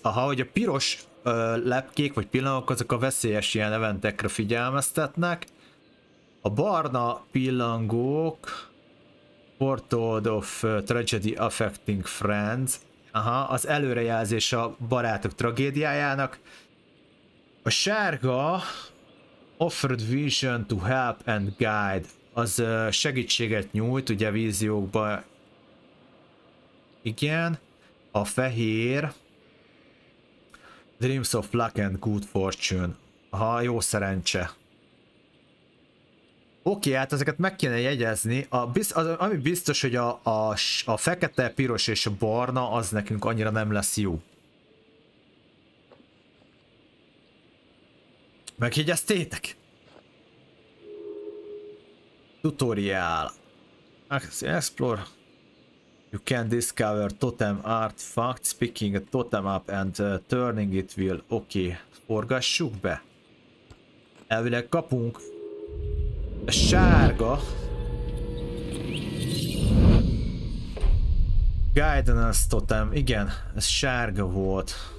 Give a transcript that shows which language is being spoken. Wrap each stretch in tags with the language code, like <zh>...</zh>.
<hu>Aha, hogy a piros lepkék vagy pillanatok, azok a veszélyes ilyen eventekre figyelmeztetnek. A barna pillangók,</hu> <en>Portold of Tragedy Affecting Friends.</en> <hu>Aha, az előrejelzés a barátok tragédiájának. A sárga</hu> <en>offered vision to help and guide.</en> <hu>Az segítséget nyújt, ugye víziókba. Igen. A fehér</hu> <en>dreams of luck and good fortune.</en> <hu>Aha, jó szerencse. Oké, hát ezeket meg kéne jegyezni, ami biztos, hogy a fekete, piros és a barna, az nekünk annyira nem lesz jó. Megjegyeztétek?</hu> <en>Tutorial. Explore. You can discover totem artifacts, picking a totem up and turning it will.</en> <hu>Oké, forgassuk be. Elvileg kapunk. A sárga Guidance Totem, igen, ez sárga volt.</hu>